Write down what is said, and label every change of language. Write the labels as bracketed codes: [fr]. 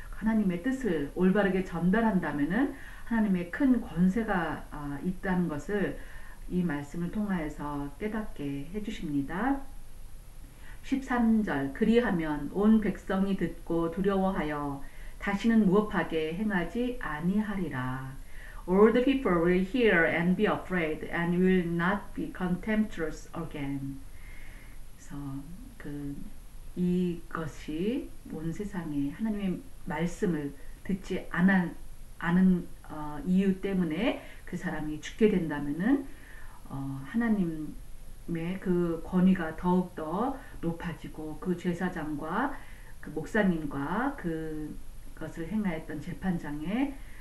[ko] 하나님의 뜻을 올바르게 전달한다면은 하나님의 큰 권세가 있다는 것을 이 말씀을 통하여서 깨닫게 해주십니다. 13절, 그리하면 온 백성이 듣고 두려워하여 다시는 무겁하게 행하지 아니하리라. [en] All the people will hear and be afraid and will not be contemptuous again. [ko] 그래서 이것이 온 세상에 하나님의 말씀을 듣지 않은 이유 때문에 그 사람이 죽게 된다면은 하나님의 그 권위가 더욱더 높아지고 그 제사장과 그 목사님과 그것을 행하였던 재판장에